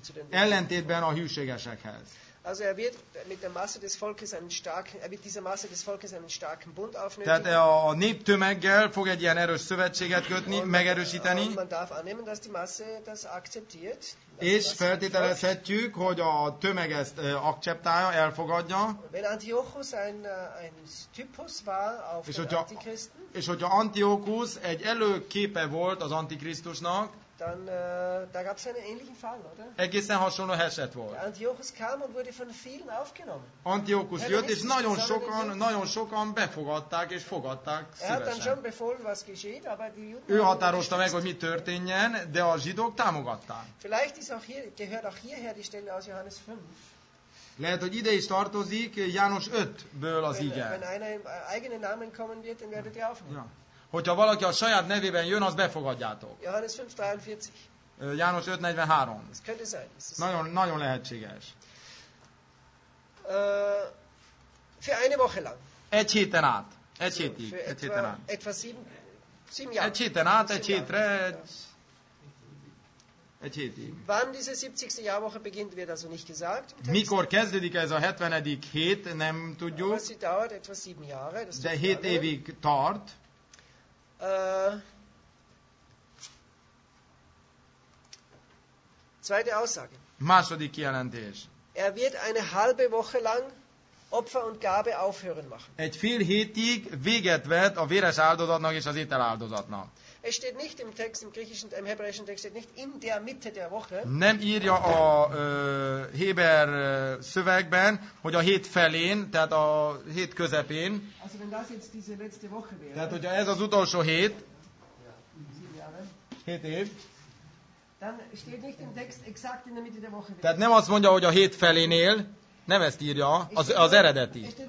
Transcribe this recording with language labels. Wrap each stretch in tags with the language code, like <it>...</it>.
<hu>Ellentétben a hűségesekhez.</hu> <de>Also er wird mit der Masse des Volkes einen starken, er wird dieser Masse des Volkes einen starken Bund aufnehmen.</de> <hu>Tehát a néptömeggel fog egy ilyen erős szövetséget kötni, megerősíteni.</hu> <de>Man darf annehmen, dass die Masse das akzeptiert.</de> <hu>És feltételezhetjük, hogy a tömeg ezt akceptálja, elfogadja.</hu> <de>Wenn Antiochus ein Typus war auf den Antichristen.</de> <hu>És hogyha Antiochus egy előképe volt az Antikrisztusnak.</hu> <de>Dann da gab es einen ähnlichen Fall, oder?</de> <hu>Egészen hasonló eset volt.</hu> <de>Antiochus kam und wurde von vielen aufgenommen.</de> <hu>Antiochus jött, és nagyon sokan befogadták és fogadták szívesen.</hu> <de>Er hat dann schon befohlen, was geschieht, aber die Juden.</de> <hu>Ő határozta meg, hogy mi történjen, de a zsidók támogatták.</hu> <de>Vielleicht ist auch hier gehört auch hierher die Stelle aus Johannes 5.</de> <hu>Lehet, hogy ide is tartozik János 5-ből az ige.</hu> <de>Wenn einer im eigenen Namen kommen wird, dann werdet ihr aufnehmen. Ja.</de> <hu>Hogyha valaki a saját nevében jön, azt befogadjátok.</hu> <de>Johannes 5:43.</de> <hu>János 5:43.</hu> <de>Ez könnte sein.</de> <hu>Nagyon, nagyon lehetséges.</hu> <de>Für eine Woche lang.</de> <hu>Egy héten át. Egy so, hétig. Egy héten át.</hu> <de>Etwa sieben Jahre.</de> <hu>Egy héten át, egy hétre. Egy hétig.</hu> <de>Wann diese 70. Jahrwoche beginnt, wird also nicht gesagt.</de> <hu>Mikor kezdődik ez a 70. hét, nem tudjuk.</hu> <de>Aber sie dauert etwa 7 Jahre.</de> <hu>Das de 7 évig tart.</hu> <de>Zweite Aussage.</de> <hu>Második kijelentés.</hu> <de>Er wird eine halbe Woche lang Opfer und Gabe aufhören machen.</de> <hu>Egy fél hétig véget vet a véres áldozatnak és az ételáldozatnak.</hu> <de>Es steht nicht im Text, im griechischen, im hebräischen Text steht nicht in der Mitte der Woche.</de> <hu>Nem írja a héber szövegben, hogy a hét felén, tehát a hét közepén.</hu> <de>Also wenn das jetzt diese letzte Woche wäre.</de> <hu>Tehát hogyha ez az utolsó hét. Hét év.</hu> <de>Dann steht nicht im Text exakt in der Mitte der Woche.</de> <hu>Tehát nem azt mondja, hogy a hét felénél, nem ezt írja, az eredeti.</hu>